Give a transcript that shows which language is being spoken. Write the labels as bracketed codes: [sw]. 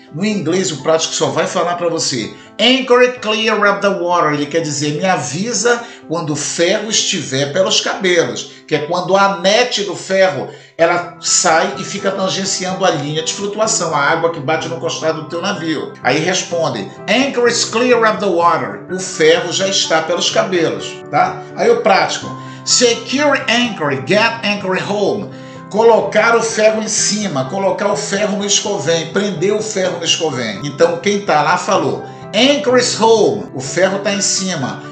[pt] No inglês, o prático só vai falar para você, [en] anchor clear of the water. [pt] Ele quer dizer, me avisa quando o ferro estiver pelos cabelos, que é quando a net do ferro ela sai e fica tangenciando a linha de flutuação, a água que bate no costado do teu navio. Aí responde, [en] anchor is clear of the water. [pt] O ferro já está pelos cabelos, tá? Aí o prático, [en] secure anchor, get anchor home. [pt] Colocar o ferro em cima, colocar o ferro no escovém, prender o ferro no escovém. Então quem tá lá falou, [en] anchor is home, [pt] o ferro tá em cima.